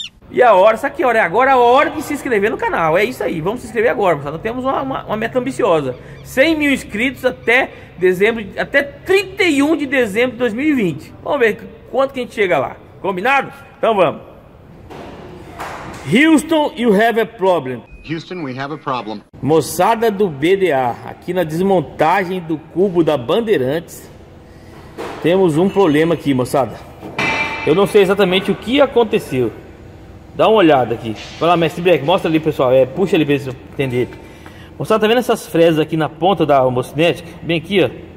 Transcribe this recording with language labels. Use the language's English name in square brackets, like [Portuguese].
[Portuguese] E a hora, sabe que hora? É agora a hora de se inscrever no canal. É isso aí, vamos se inscrever agora, moçada. Temos uma meta ambiciosa. 100 mil inscritos até dezembro, até 31 de dezembro de 2020. Vamos ver quanto que a gente chega lá. Combinado? Então vamos. [English] Houston, you have a problem. Houston, we have a problem. [Portuguese] Moçada do BDA, aqui na desmontagem do cubo da Bandeirantes, temos um problema aqui, moçada. Eu não sei exatamente o que aconteceu. Dá uma olhada aqui. Vai lá, Mestre Black, mostra ali, pessoal. É, puxa ali pra você entender. Moçada, tá vendo essas fresas aqui na ponta da homocinética? Bem aqui, ó.